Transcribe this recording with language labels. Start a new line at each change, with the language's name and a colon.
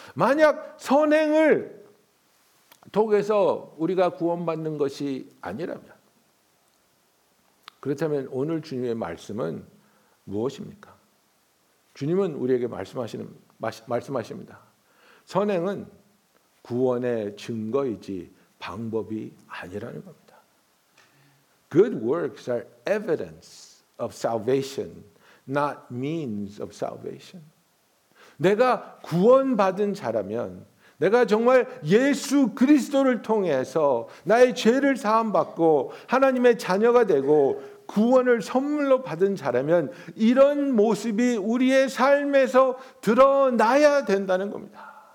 Korean: 만약 선행을 독에서 우리가 구원받는 것이 아니라면 그렇다면 오늘 주님의 말씀은 무엇입니까? 주님은 우리에게 말씀하십니다. 선행은 구원의 증거이지 방법이 아니라는 겁니다.
English: Good works are evidence of salvation, not means of salvation.
Korean: 내가 구원받은 자라면 내가 정말 예수 그리스도를 통해서 나의 죄를 사함받고 하나님의 자녀가 되고 구원을 선물로 받은 자라면 이런 모습이 우리의 삶에서 드러나야 된다는 겁니다.